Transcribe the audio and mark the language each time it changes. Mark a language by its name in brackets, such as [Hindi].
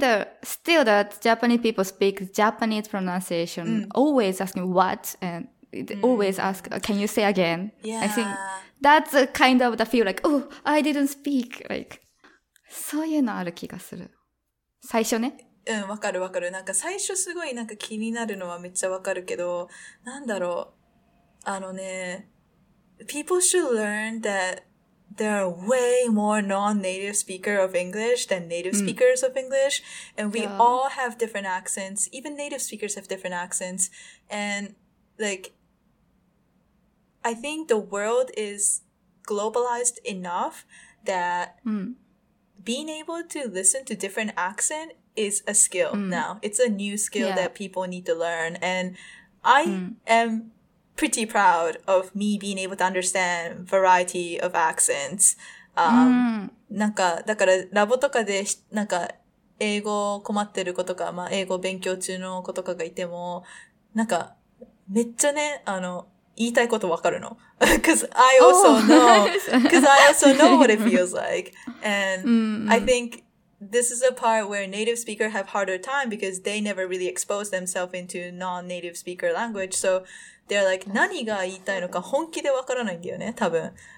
[English] that still that Japanese people speak Japanese pronunciation, always asking what, and always ask, can you say again? Yeah. I think... That's kind of the feel like, oh, I didn't speak. [Japanese] Like, そういうのある気がする。最初ね。うん、わかるわかる。なんか最初すごいなんか気になるのはめっちゃわかるけど、なんだろう。 [English] あのね、people should learn that there are way more non-native speakers of English than native speakers of English. And we all have different accents. Even native speakers have different accents. And, like,I think the world is globalized enough that being able to listen to different accent is a skill now. It's a new skill that people need to learn. And I am pretty proud of me being able to understand variety of accents. [Japanese] なんか、だからラボとかでなんか英語困ってる子とか、まあ英語勉強中の子とかがいても、なんかめっちゃね、あの、言いたいことわかるの。 [English] Cause I also know, cause I also know what it feels like. And I think this is a part where native speaker have harder time because they never really expose themselves into non-native speaker language. So they're like, [Japanese] 何が言いたいのか本気でわからないんだよね、多分。